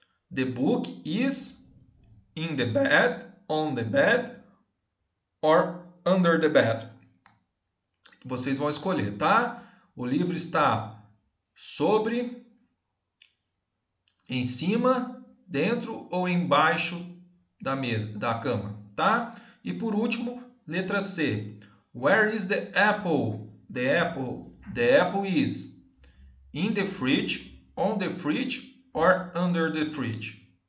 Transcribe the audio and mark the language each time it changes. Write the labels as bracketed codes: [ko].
[en] The book is in the bed, on the bed or under the bed. [pt] Vocês vão escolher, tá? O livro está sobre, em cima, dentro ou embaixo da mesa, da cama, tá? E por último, letra C. [en] Where is the apple? The apple is in the fridge, on the fridge or under the fridge.